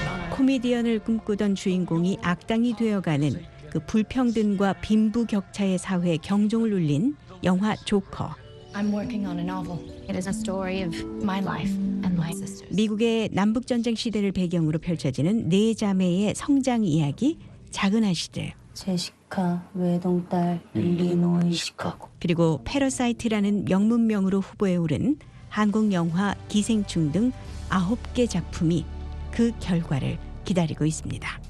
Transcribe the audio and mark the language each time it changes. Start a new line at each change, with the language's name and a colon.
Korean: 코미디언을 꿈꾸던 주인공이 악당이 되어가는 그 불평등과 빈부 격차의 사회에 경종을 울린 영화 조커.
English: I'm working on a novel. It is a story of my life and my sisters.
Korean: 미국의 남북 전쟁 시대를 배경으로 펼쳐지는 네 자매의 성장 이야기 작은 아시들. 제시카, 외동딸, 일리노이 시카고. 그리고 패러사이트라는 명문명으로 후보에 오른 한국 영화 기생충 등 아홉 개 작품이 그 결과를 기다리고 있습니다.